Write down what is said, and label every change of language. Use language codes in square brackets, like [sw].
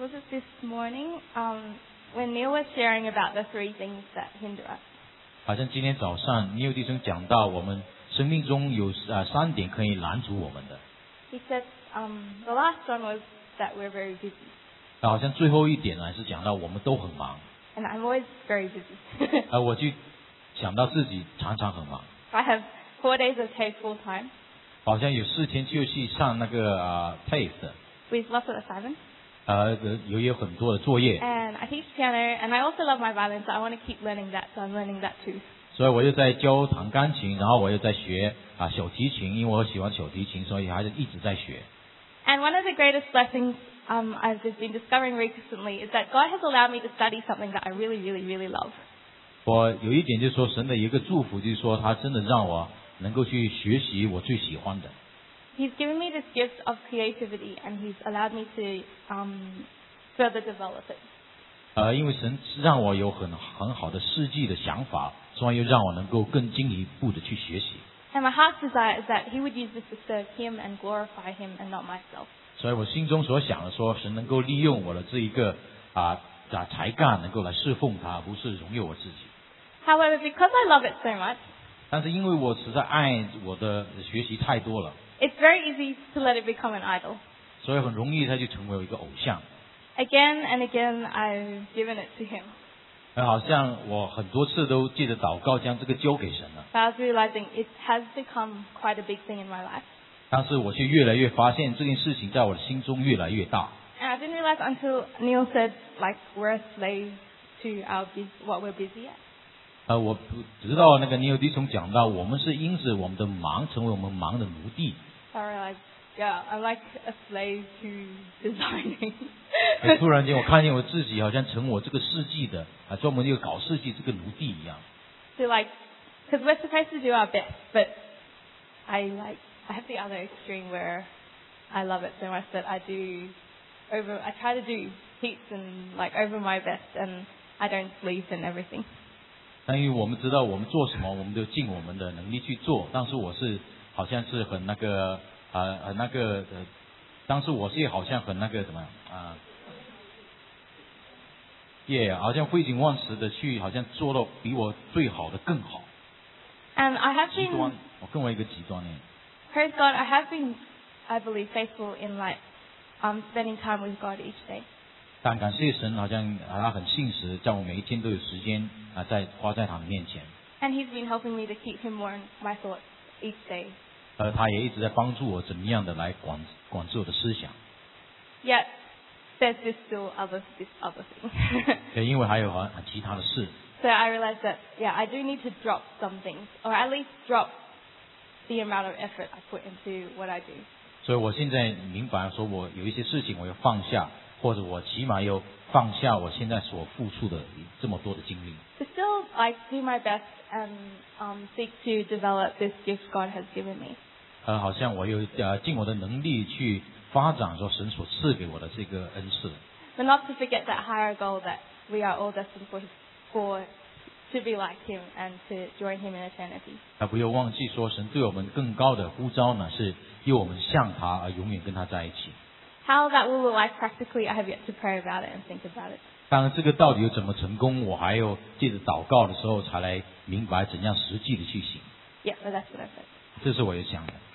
[en] This morning, when Neil was sharing about the three things that hinder us. [zh] 好像今天早上 Neil 弟兄讲到，我们生命中有三点可以拦阻我们的。 [en] He said, the last one was that we're very busy. [zh] 好像最后一点呢，是讲到我们都很忙。 [en] And I'm always very busy. [zh] 我就想到自己常常很忙。 [en] I have 4 days of TAFE full time. [zh] 好像有四天就去上那个TAFE. [en] With lots of assignments. [zh] 有很多的作业。 [en] And I teach piano, and I also love my violin, so I want to keep learning that, so I'm learning that too. [zh] 所以我又在教弹钢琴，然后我又在学小提琴，因为我喜欢小提琴，所以还是一直在学。 [en] And one of the greatest blessings. I've just been discovering recently is that God has allowed me to study something that I really, really, really love. [zh] 我有一点就是说，神的一个祝福就是说，他真的让我能够去学习我最喜欢的。 [en] He's given me this gift of creativity, and He's allowed me to further develop it. [zh] 因为神让我有很好的设计的想法，所以又让我能够更进一步的去学习。 [en] And my heart's desire is that He would use this to serve Him and glorify Him, and not myself. [zh] 所以我心中所想的说，神能够利用我的这一个才干，能够来侍奉他，不是荣耀我自己。 [en] However, because I love it so much, [zh] 但是因为我实在爱我的学习太多了。 [en] It's very easy to let it become an idol. [zh] 所以很容易它就成为一个偶像。 [en] Again and again, I've given it to him. [zh] 好像我很多次都借着祷告将这个交给神了。 [en] But I was realizing it has become quite a big thing in my life. [zh] 但是我却越来越发现这件事情在我的心中越来越大。 [en] And I didn't realize until Neil said, like, we're a slave to what we're busy at. [zh] 我直到那个 Neil 弟兄讲到，我们是因此我们的忙成为我们忙的奴隶。 [en] I realized Yeah, I'm like a slave to designing. [zh] 突然间我看见我自己好像成我这个世纪的啊，专门一个搞设计这个奴隶一样。 [en] So like, because we're supposed to do our best, but I have the other extreme where I love it so much that I try to do heaps and like over my best, and I don't believe in everything. [zh] 但因为我们知道我们做什么，我们都尽我们的能力去做，但是我是好像是很那个。那个当时我是好像很那个什么好像废寝忘食的去好像做到比我最好的更好。 [en] And I have been, [zh] 极端，我更为一个极端呢。 [en] Praise God, I have been, I believe, faithful in like, spending time with God each day. [zh] 但感谢神好像他很信实，在我每一天都有时间在花在他的面前。 [en] And he's been helping me to keep him more in my thoughts each day. [zh] 他也一直在帮助我怎么样的来 管制我的思想。 [en] Yet, there's still this other thing. [zh] 对，因为还有其他的事。 [en] So I realized that, yeah, I do need to drop some things, or at least drop the amount of effort I put into what I do. [zh] 所以我现在明白说我有一些事情我要放下，或者我起码要放下我现在所付出的这么多的精力。 [en] But still, I do my best. And seek to develop this gift God has given me. [zh] 好像我有尽我的能力去发展说神所赐给我的这个恩赐。 [en] But not to forget that higher goal that we are all destined for to be like Him and to join Him in eternity. [zh] 不要忘记说神对我们更高的呼召呢，是要我们向他而永远跟他在一起。 [en] How that will look like practically, I have yet to pray about it and think about it. [zh] 当然这个到底有怎么成功，我还要借着祷告的时候才来明白怎样实际的去行。 [en] Yeah, that's what I said. [zh] 这是我要讲的。